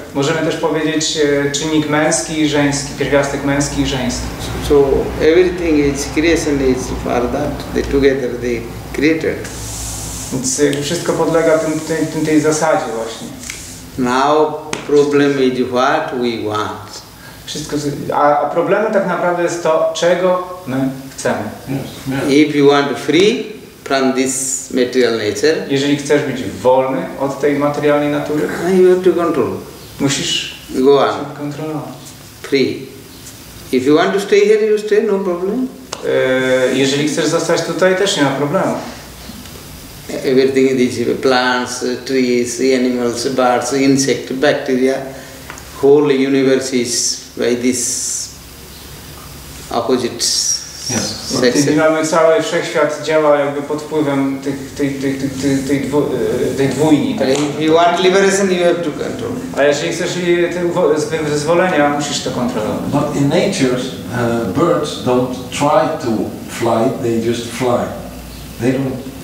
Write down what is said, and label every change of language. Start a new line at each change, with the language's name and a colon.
Polish: Możemy też powiedzieć czynnik męski i żeński, pierwiastek męski i żeński.
English: So everything is creation is for that, they together they created.
Polish: Więc wszystko podlega tej zasadzie właśnie.
English: Now problem is what we want.
Polish: Wszystko, a problemem tak naprawdę jest to, czego my chcemy.
English: Yes. Yeah. If you want free, from this material nature.
Polish: Jeżeli chcesz być wolny od tej materialnej natury,
English: you have to control.
Polish: Musisz
English: go on.
Polish: Kontrolować.
English: Free. If you want to stay here, you stay, no problem.
Polish: Jeżeli chcesz zostać tutaj, też nie ma problemu.
English: everything in this, plants, trees, animals, birds, insects, bacteria, whole universe is by this opposite sex. Yes.
Polish: No, cały wszechświat działa jakby pod wpływem tej dwójni.
English: If you want liberation, you have to control.
Polish: A jeśli chcesz wyzwolenia, musisz to kontrolować.
English: But in nature, birds don't try to fly, they just fly. They don't.